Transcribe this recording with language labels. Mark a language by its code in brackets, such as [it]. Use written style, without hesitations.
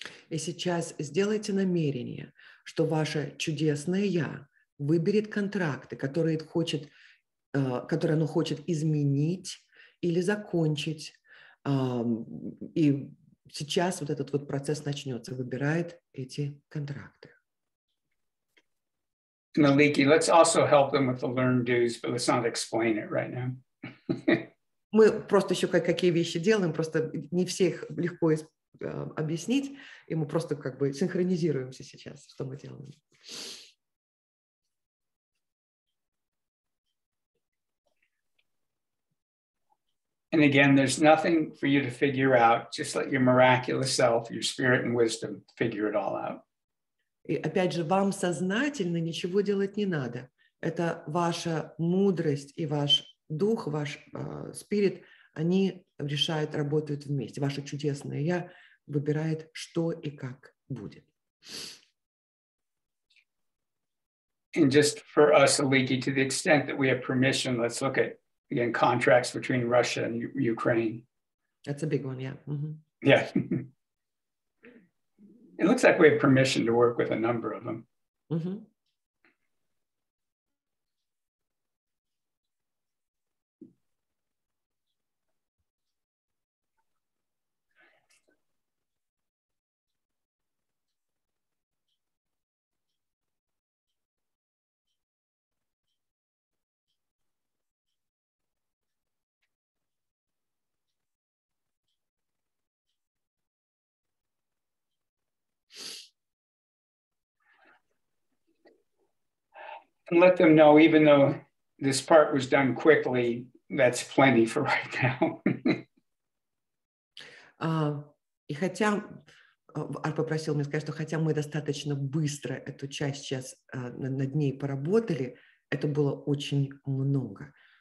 [ru] И сейчас сделайте намерение, что ваше чудесное «Я» выберет контракты, которые оно хочет изменить или закончить. И сейчас вот этот вот процесс начнется, выбирает эти контракты. [en] Aliki, let's also help them with the learned dues, but let's not explain it right now. [ru] Мы просто еще какие вещи делаем, просто не всех легко объяснить, и мы просто как бы синхронизируемся сейчас, что мы делаем. [en] And again, there's nothing for you to figure out. Just let your miraculous self, your spirit and wisdom figure it all out. [ru] И опять же, вам сознательно ничего делать не надо. Это ваша мудрость и ваш дух, ваш спирит, они решают, работают вместе. Ваше чудесное «Я» выбирает, что и как будет. [en] And just for us, Aliki, to the extent that we have permission, let's look at, again, contracts between Russia and Ukraine. That's a big one, yeah. Mm-hmm. Yeah. It looks like we have permission to work with a number of them. Mm-hmm. And let them know, even though this part was done quickly, that's plenty for right now. [ru] И хотя Арп попросил мне сказать, что хотя мы достаточно быстро эту часть сейчас над ней поработали, это было очень много.